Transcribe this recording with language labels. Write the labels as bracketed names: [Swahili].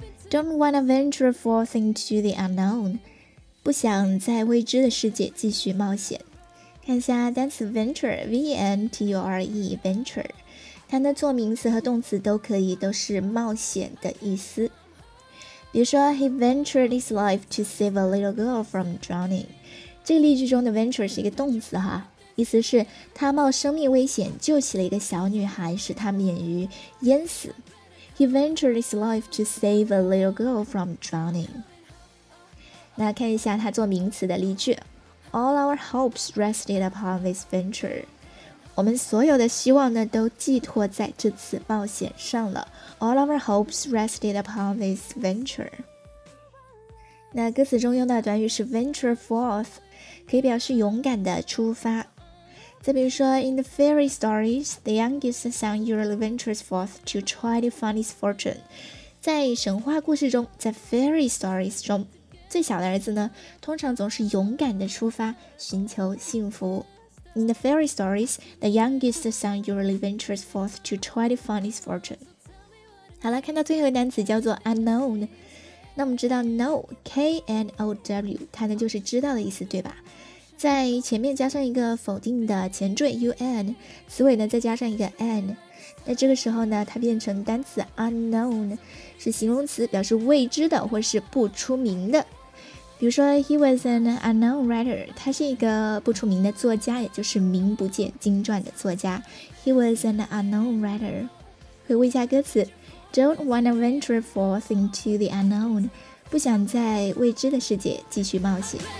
[English] Don't wanna venture forth into the unknown， [Chinese] 不想在未知的世界继续冒险。看一下单词 venture， V-E-N-T-U-R-E， venture， 它呢做名词和动词都可以，都是冒险的意思。比如说 [English] He ventured his life to save a little girl from drowning， [Chinese] 这个例句中的 venture 是一个动词哈，意思是他冒生命危险救起了一个小女孩，使她免于淹死。 [English] He ventured his life to save a little girl from drowning。 [Chinese] 那看一下他做名词的例句， [English] All our hopes rested upon this venture， [Chinese] 我们所有的希望呢都寄托在这次冒险上了。 [English] All our hopes rested upon this venture。 [Chinese] 那歌词中用到短语是 venture forth， 可以表示勇敢的出发。 [English] 再 [Chinese] 比如说 [English] In the fairy stories the youngest son usually ventures forth to try to find his fortune。 [Chinese] 在神话故事中，在 fairy stories 中，最小的儿子呢通常总是勇敢的出发寻求幸福。 [English] In the fairy stories, the youngest son usually ventures forth to try to find his fortune. [Chinese] 好了，看到最后一个单词叫做 unknown， 那我们知道 know K N O W， 它呢就是知道的意思，对吧？在前面加上一个否定的前缀 U N， 词尾呢再加上一个 N， 那这个时候呢它变成单词 unknown， 是形容词，表示未知的或是不出名的。比如说 [English] He was an unknown writer， [Chinese] 他是一个不出名的作家，也就是名不见经传的作家。 [English] He was an unknown writer。 [Chinese] 回顾一下歌词， [English] Don't wanna venture forth into the unknown， [Chinese] 不想在未知的世界继续冒险。